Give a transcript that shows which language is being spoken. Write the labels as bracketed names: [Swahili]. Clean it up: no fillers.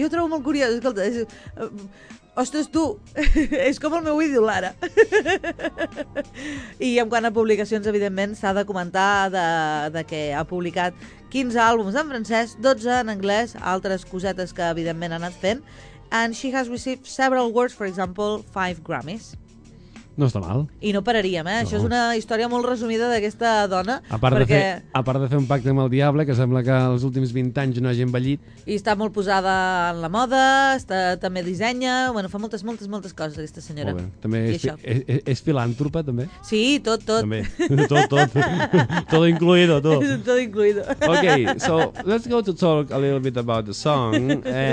[Catalan] Jo ho trobo molt curiós, escolta, és... Ostres, tu, és com el meu ídol ara. I en quant a publicacions, evidentment, s'ha de comentar de que ha publicat 15 àlbums en francès, 12 en anglès, altres cosetes que, evidentment, ha anat fent. [English] And she has received several awards, for example, 5 Grammys. [Catalan] No està mal. I no pararíem, eh? No. Això és una història molt resumida d'aquesta dona. A part, perquè... a part de fer un pacte amb el diable, que sembla que els últims 20 anys no hagi envellit. I està molt posada en la moda, està, també dissenya, bueno, fa moltes, moltes, moltes coses, aquesta senyora. Molt bé. També és filàntropa, també? Sí, tot, tot. També. Tot, tot. Tot incluido, tot. Tot incluido. [English] Ok, so let's go to talk a little bit about the song.